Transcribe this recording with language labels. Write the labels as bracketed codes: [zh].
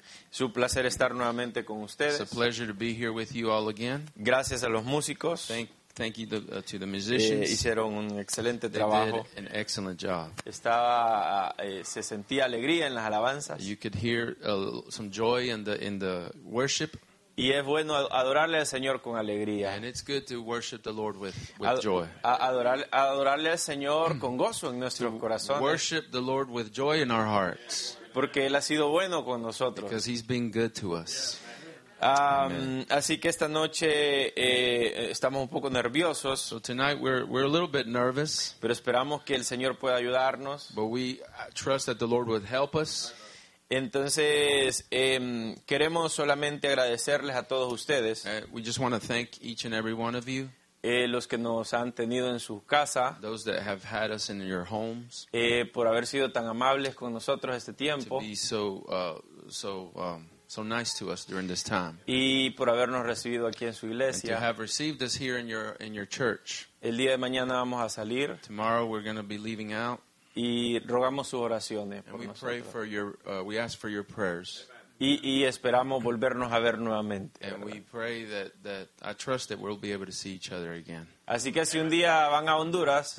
[es] Es un placer estar nuevamente con ustedes. [en] It's a pleasure to be here with you all again. [es] Gracias a los músicos. [en] Thank you to the musicians. [es] Hicieron un excelente trabajo. [en] They did an excellent job. [es] Se sentía alegría en las alabanzas. [en] You could hear some joy in the worship. [es] Y es bueno adorarle al Señor con alegría. [en] And it's good to worship the Lord with joy. [es] Adorarle al Señor con gozo en nuestro corazón. [en] Worship the Lord with joy in our hearts. [es] Porque Él ha sido bueno con nosotros. [en] Because He's been good to us. [es] Así que esta noche estamos un poco nerviosos. [en] So tonight we're a little bit nervous. [es] Pero esperamos que el Señor pueda ayudarnos. [en] But we trust that the Lord would help us. [es] Entonces, queremos solamente agradecerles a todos ustedes. [en] We just want to thank each and every one of you. [es] Los que nos han tenido en su casa. [en] Those that have had us in your homes. [es] Por haber sido tan amables con nosotros este tiempo. [en] To be so nice to us during this time. [es] Y por habernos recibido aquí en su iglesia. [en] And to have received us here in your church. [es] El día de mañana vamos a salir. [en] Tomorrow we're going to be leaving out. [es] Y rogamos sus oraciones por nosotros. [en] Pray for your, we ask for your prayers. [es] Y esperamos volvernos a ver nuevamente. [en] And we pray that I trust that we'll be able to see each other again. [es] Así que si un día van a Honduras.